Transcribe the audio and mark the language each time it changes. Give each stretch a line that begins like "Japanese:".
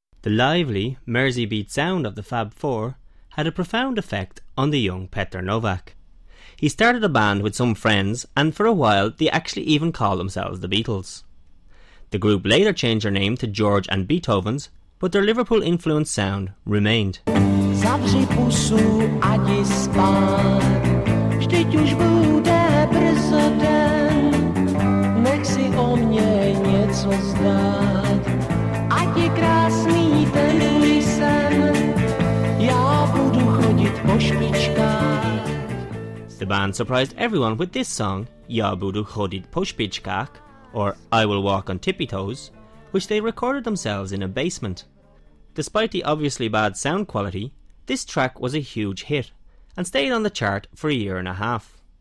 English: The lively, Merseybeat sound of the Fab Four had a profound effect on the young Petr Novak. He started a band with some friends, and for a while they actually even called themselves the Beatles. The group later changed their name to George and Beethoven's, but their Liverpool-influenced sound remained.
Czech: Zavři pusu, ať spát, vždyť už bude brzo den, nech si o mě něco zdát, ať je krásný ten můj sen, já budu chodit po špičkách.
English: The band surprised everyone with this song, Ja budu chodit po špičkách, or I Will Walk on Tippy Toes, which they recorded themselves in a basement. Despite the obviously bad sound quality, this track was a huge hit, and stayed on the chart for a year and a half.